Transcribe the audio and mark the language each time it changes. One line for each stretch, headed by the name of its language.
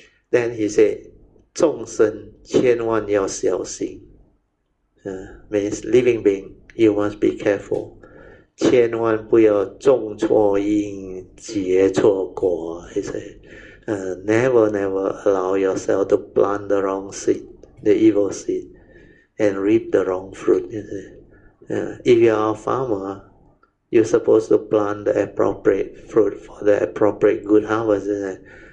English: Then he said,
Chinese: 众生千万要小心。
English: Means living being, you must be careful.
Chinese: 千万不要种错因，结错果。
English: He said, never, never allow yourself to plant the wrong seed, the evil seed, and reap the wrong fruit. He said, if you are a farmer, you're supposed to plant the appropriate fruit for the appropriate good harvest, isn't it?